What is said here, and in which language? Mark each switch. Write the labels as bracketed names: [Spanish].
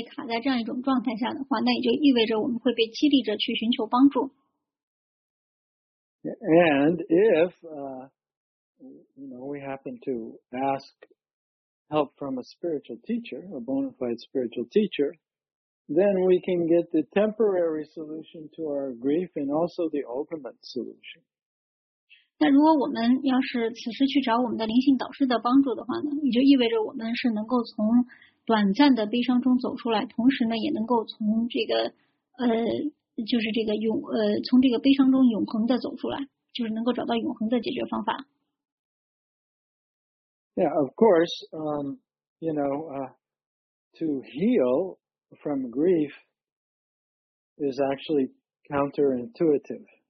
[Chinese] 那如果我们要是真的被卡在这样一种状态下的话, 那也就意味着我们会被激励着去寻求帮助。 [English] And if, you know, we happen to ask help from a spiritual teacher, a bona fide spiritual teacher, then we can get the temporary solution to our grief and also the ultimate solution. [Chinese] 那如果我们要是此时去找我们的灵性导师的帮助的话呢，也就意味着我们是能够从短暂的悲伤中走出来，同时呢，也能够从这个就是这个从这个悲伤中永恒的走出来，就是能够找到永恒的解决方法。 [English] Yeah, of course, you know, to heal from grief is actually counterintuitive.